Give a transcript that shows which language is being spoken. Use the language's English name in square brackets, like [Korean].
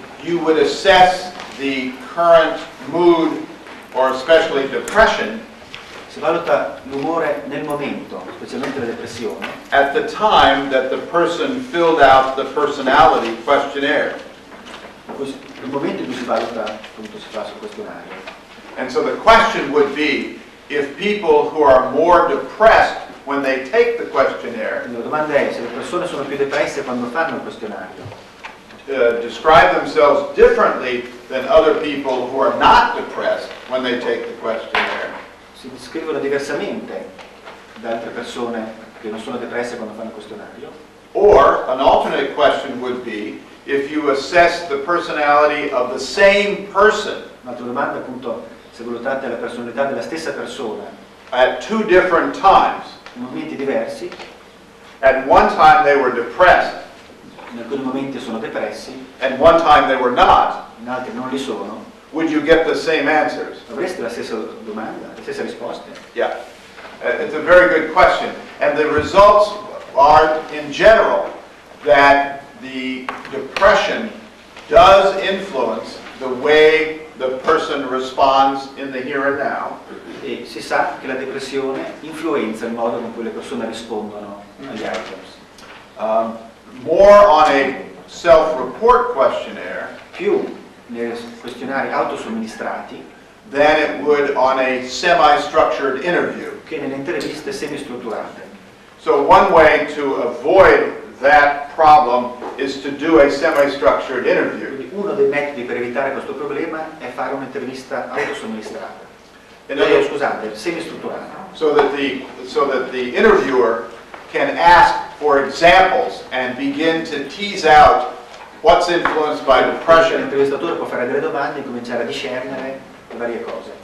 [English] you would assess the current mood, or especially depression, [Italian] si valuta l'umore nel momento, specialmente la depressione. [English] At the time that the person filled out the personality questionnaire. [Italian] Il momento in cui si valuta, appunto, si fa sul questionario. [English] And so the question would be, if people who are more depressed when they take the questionnaire. [Italian] La domanda è se le persone sono più depresse quando fanno il questionario. [English] Describe themselves differently than other people who are not depressed when they take the questionnaire. [Italian] Si descrivono diversamente da altre persone che non sono depresse quando fanno il questionario. [English] Or an alternate question would be, if you assess the personality of the same person. [Italian] Un'altra domanda, appunto, se valutate la personalità della stessa persona. [English] At two different times. [Italian] In momenti diversi. [English] At one time they were depressed. [Italian] In alcuni momenti sono depressi. [English] And one time they were not. [Italian] In altri non li sono. [English] Would you get the same answers? [Italian] Avreste la stessa domanda, le stesse risposte? [English] Yeah. It's a very good question. And the results are, in general, that the depression does influence the way the person responds in the here and now. [Italian] E si sa che la depressione influenza il modo con cui le persone rispondono agli outcomes. [English] More on a self-report questionnaire. [Italian] Più nei questionari autosomministrati. [English] Than it would on a semi-structured interview. [Italian] Che nelle interviste semi-strutturate. [English] So one way to avoid that problem is to do a semi-structured interview. [Italian] Quindi uno dei metodi per evitare questo problema è fare un'intervista autosomministrata. Scusate, semi-strutturata. [English] So that the interviewer can ask for examples and begin to tease out what's influenced by depression. [Italian] L'intervistatore può fare delle domande e cominciare a discernere le varie cose.